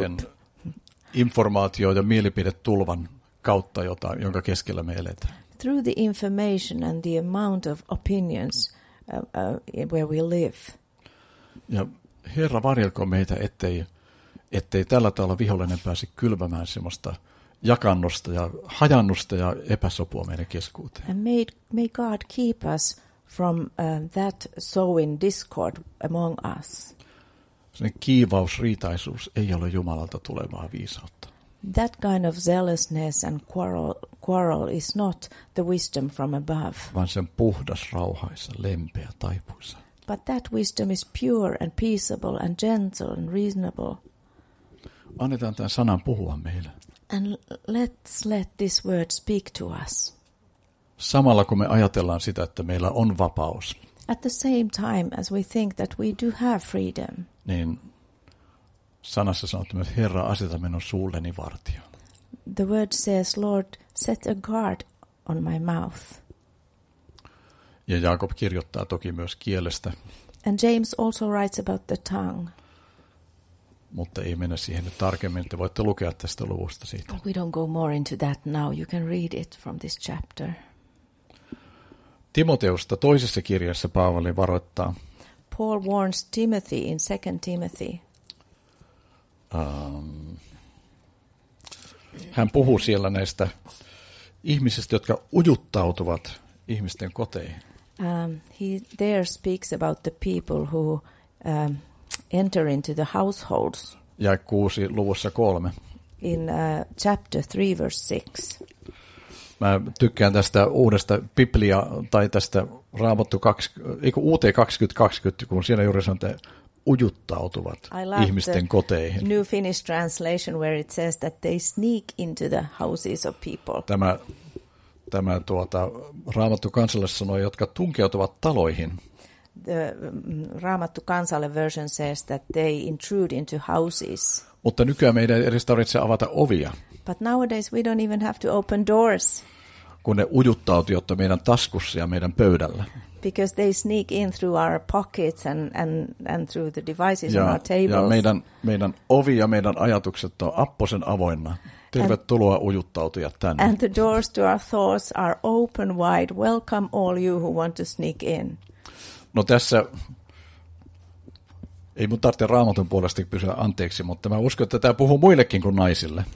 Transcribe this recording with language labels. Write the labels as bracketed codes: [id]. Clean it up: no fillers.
[fi] Sen informaatio ja mielipidetulvan kautta, jota, jonka keskellä me eletään. [en] Through the information and the amount of opinions where we live. [fi] Ja Herra varjelko meitä, ettei tällä tavalla vihollinen pääse kylvämään semmoista jakannusta ja hajannusta ja epäsopua meidän keskuuteen. [en] And may God keep us from that sowing discord among us. [fi] Sen kiivaus, riitaisuus ei ole Jumalalta tulevaa viisautta. [en] That kind of zealousness and quarrel is not the wisdom from above. [fi] Vaan sen puhdas, rauhaisa, lempeä, taipuisa. [en] But that wisdom is pure and peaceable and gentle and reasonable. [fi] Annetaan tämän sanan puhua meille. [en] And let's let this word speak to us. [fi] Samalla kun me ajatellaan sitä, että meillä on vapaus. [en] At the same time as we think that we do have freedom. [fi] Niin sanassa sanottu myös, Herra, aseta minun suulleni vartija. [en] The word says, Lord, set a guard on my mouth. [fi] Ja Jaakob kirjoittaa toki myös kielestä. [en] And James also writes about the tongue. [fi] Mutta ei mennä siihen nyt tarkemmin, te voitte lukea tästä luvusta siitä. [en] We don't go more into that now, you can read it from this chapter. [fi] Timoteusta toisessa kirjassa Paavali varoittaa. [en] Paul warns Timothy in 2 Timothy. [fi] Hän puhuu siellä näistä ihmisistä, jotka ujuttautuvat ihmisten koteihin. [en] He there speaks about the people who enter into the households. [fi] Ja 6 luvussa 3. [en] In chapter 3 verse 6. [fi] Mä tykkään tästä uudesta Biblia tai tästä Raamattu 2020, kun siinä juuri sanotaan, että ujuttautuvat ihmisten koteihin. [en] New Finnish translation where it says that they sneak into the houses of people. [fi] Tämä Raamattu kansalle sanoo, jotka tunkeutuvat taloihin. [en] The Raamattu kansalle version says that they intrude into houses. [fi] Mutta nykyään meidän ei edes tarvitse avata ovia. [en] But nowadays we don't even have to open doors. [fi] Kun ne ujuttautuvat meidän taskussa ja meidän pöydällä. [en] Because they sneak in through our pockets and through the devices [fi] ja, [en] on our tables. [fi] Ja meidän ovi ja meidän ajatukset on apposen avoinna. Tervetuloa ujuttautujat tänne. [en] And the doors to our thoughts are open wide. Welcome all you who want to sneak in. [fi] No tässä ei mun tarvitse Raamatun puolesta pysyä anteeksi, mutta mä uskon, että tämä puhuu muillekin kuin naisille.